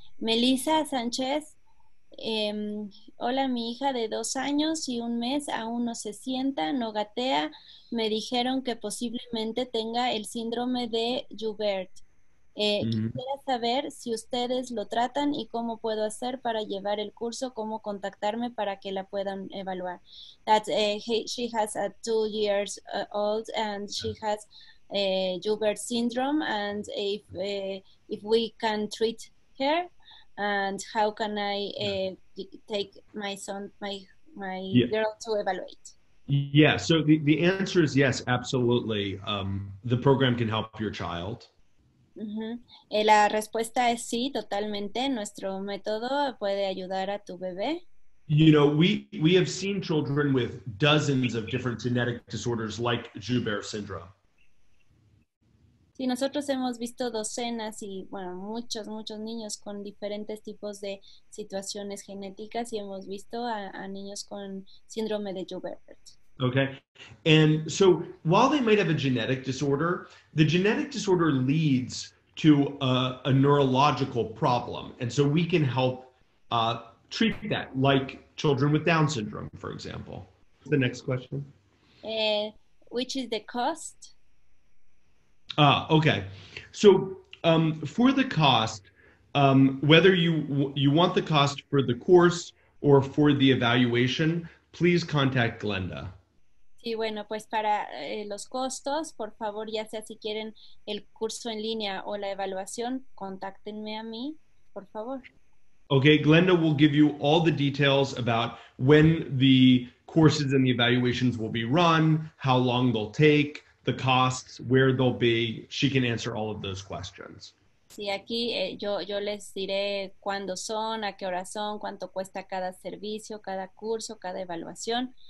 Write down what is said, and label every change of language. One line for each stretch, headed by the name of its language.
Spanish: Melissa Sánchez, hola, mi hija de 2 años y 1 mes aún no se sienta, no gatea. Me dijeron que posiblemente tenga el síndrome de Joubert. Quisiera saber si ustedes lo tratan y cómo puedo hacer para llevar el curso, cómo contactarme para que la puedan evaluar.
English: She has a 2 years old and she has Joubert syndrome, and if we can treat her, and how can I take my son, my girl to evaluate? Yeah, so the answer is yes, absolutely. The program can help your child.
Spanish: Mm-hmm. La respuesta es sí, totalmente. Nuestro método puede ayudar a tu bebé.
English: You know, we have seen children with dozens of different genetic disorders like Joubert syndrome.
Spanish: Sí, nosotros hemos visto docenas y, bueno, muchos, muchos niños con diferentes tipos de situaciones genéticas, y hemos visto a niños con síndrome de Joubert.
English: Okay. And so, while they might have a genetic disorder, the genetic disorder leads to a neurological problem. And so, we can help treat that, like children with Down syndrome, for example. The next question. Which is the cost? Ah, okay. So for the cost, whether you want the cost for the course or for the evaluation, please contact Glenda.
Spanish: Sí, bueno, pues para los costos, por favor, ya sea si quieren el curso en línea o la evaluación, contáctenme a mí, por favor.
English: Okay, Glenda will give you all the details about when the courses and the evaluations will be run, how long they'll take, the costs, where they'll be. She can answer all of those questions.
Spanish: Sí, aquí yo les diré cuándo son, a qué hora son, cuánto cuesta cada servicio, cada curso, cada evaluación.